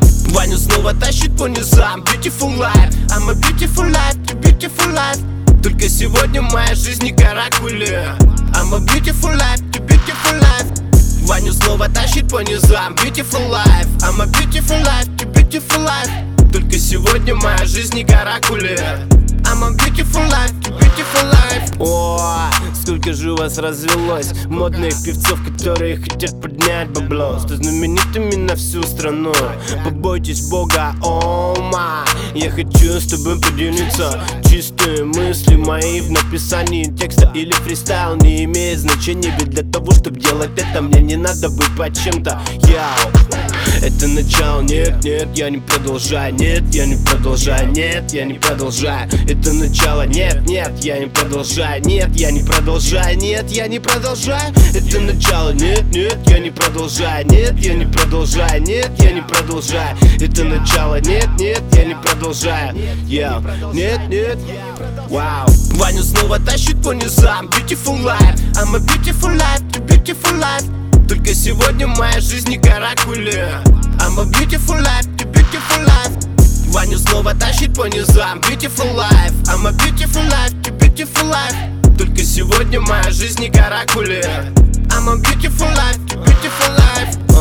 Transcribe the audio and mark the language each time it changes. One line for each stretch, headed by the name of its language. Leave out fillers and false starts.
Russian: Ваню снова тащит по низам.
English: Beautiful life, I'm a beautiful life, you beautiful life.
Russian: Только сегодня в моей жизни каракули.
English: I'm a beautiful life, you beautiful life.
Russian: Ваню снова тащит по низам.
English: Beautiful life, I'm a beautiful life, you beautiful life.
Russian: Только сегодня в моей жизни каракули.
English: I'm a beautiful life, you beautiful life.
Russian: Сколько же у вас развелось модных певцов, которые хотят поднять бабло, стать знаменитыми на всю страну. Побойтесь Бога, Ома. Я хочу с тобой поделиться. Чистые мысли мои в написании текста или фристайл не имеет значения. Ведь для того, чтобы делать это, мне не надо быть под чем-то. Это начало, нет, нет, я не продолжаю. Нет, я не продолжаю, нет, я не продолжаю. Это начало, нет, нет, я не продолжаю. Нет, я не продолжаю, нет, я не продолжаю. Это начало, нет, нет, я не продолжаю. Нет, я не продолжаю, нет, я не продолжаю. Это начало, нет, нет, я не продолжаю. Нет, нет, вау. Ваню снова тащит по низам.
English: Beautiful life, I'm a beautiful life, you beautiful life.
Russian: Только сегодня в моей жизни каракули.
English: I'm a beautiful life, you beautiful life.
Russian: Ваню снова тащит по низам.
English: Beautiful life, I'm a beautiful life, you beautiful life.
Russian: Только сегодня в моей жизни каракули.
English: I'm a beautiful life, you beautiful life.